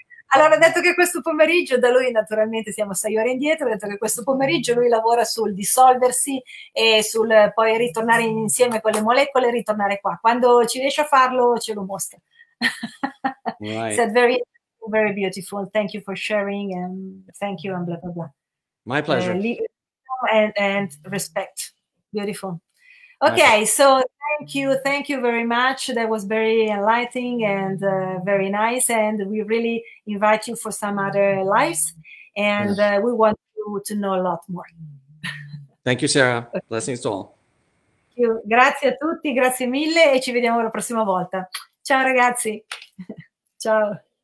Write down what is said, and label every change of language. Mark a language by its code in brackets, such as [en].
[it] Allora, detto che questo pomeriggio, da lui naturalmente siamo 6 ore indietro, detto che questo pomeriggio lui lavora sul dissolversi e sul poi ritornare insieme con le molecole e ritornare qua. Quando ci riesce a farlo, ce lo mostra. [en] Right. Said very, very beautiful. Thank you for sharing and thank you and blah, blah, blah. My pleasure. And respect. Beautiful. My pleasure. Okay, so thank you very much. That was very enlightening and very nice. And we really invite you for some other lives. And Yes. we want you to know a lot more. Thank you, Sarah. Blessings to all. Okay. [it] Grazie a tutti, grazie mille e ci vediamo la prossima volta. Ciao ragazzi. Ciao.